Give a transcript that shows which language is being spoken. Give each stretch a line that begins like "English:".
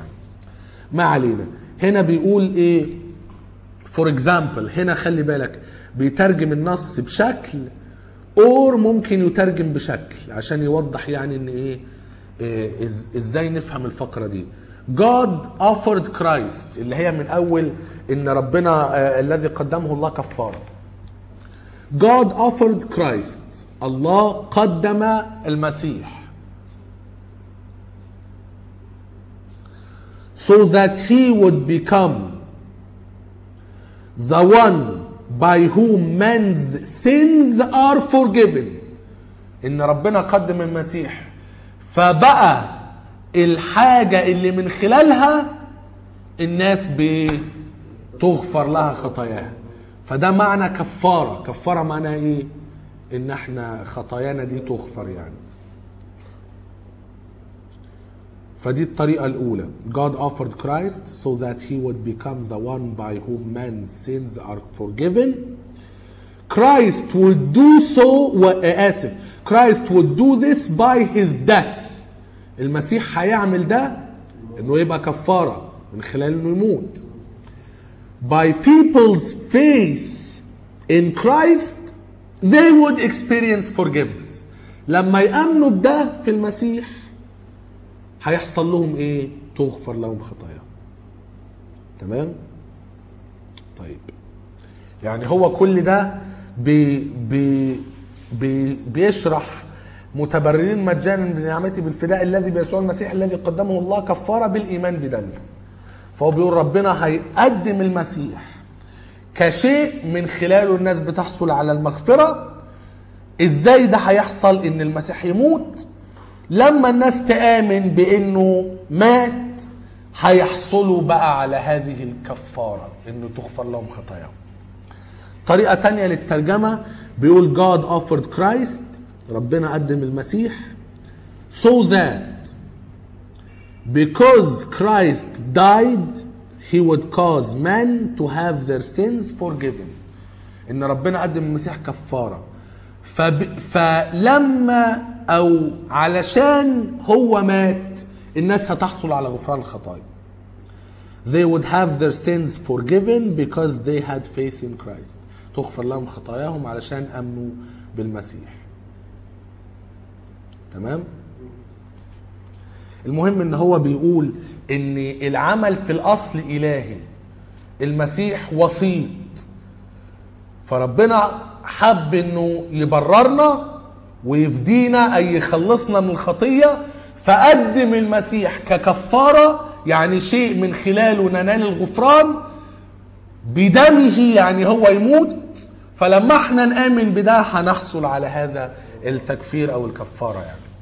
Arabic: يعني ما علينا. هنا بيقول ايه
English: for example،
Arabic: هنا خلي بالك بيترجم النص بشكل اور ممكن يترجم بشكل عشان يوضح يعني ان ايه ازاي نفهم الفقرة دي.
English: God offered Christ
Arabic: اللي هي من اول ان ربنا الذي قدمه الله كفارة.
English: God offered Christ،
Arabic: الله قدم المسيح.
English: So that he would become the one by whom men's sins are forgiven.
Arabic: إن ربنا قدم المسيح فبقى الحاجة اللي من خلالها الناس بتغفر لها خطاياها. فده معنى كفارة. كفارة معنى إيه؟ إن احنا خطايانا دي تغفر يعني. فدي الطريقة الأولى.
English: God offered Christ so that he would become the one by whom man's sins are forgiven. Christ would do so Christ would do this by his death.
Arabic: المسيح هيعمل ده إنه يبقى كفارة من خلال إنه يموت.
English: By people's faith in Christ they would experience forgiveness.
Arabic: لما يأمنوا بده في المسيح هيحصل لهم ايه؟ تغفر لهم خطايا. تمام؟ طيب يعني هو كل ده بي بي بي بيشرح متبررين مجانا بنعمتي بالفداء الذي بيسوع المسيح الذي قدمه الله كفارة بالإيمان بدمه. فهو بيقول ربنا هيقدم المسيح كشيء من خلاله الناس بتحصل على المغفرة. ازاي ده هيحصل؟ ان المسيح يموت، لما الناس تآمن بأنه مات هيحصلوا بقى على هذه الكفارة أنه تغفر لهم خطاياهم. طريقة تانية للترجمة بيقول
English: God offered Christ
Arabic: ربنا قدم المسيح
English: so that because Christ died he would cause men to have their sins forgiven.
Arabic: إن ربنا قدم المسيح كفارة فلما أو علشان هو مات الناس هتحصل على غفران الخطايا.
English: They would have their sins forgiven because they had faith in Christ.
Arabic: تغفر لهم خطاياهم علشان أمنوا بالمسيح. تمام؟ المهم إن هو بيقول إن العمل في الأصل إلهي. المسيح وسيط. فربنا حب إنه يبررنا ويفدينا أي يخلصنا من الخطية فقدم المسيح ككفارة يعني شيء من خلاله ننال الغفران بدمه يعني هو يموت فلما احنا نآمن بده هنحصل على هذا التكفير أو الكفارة يعني.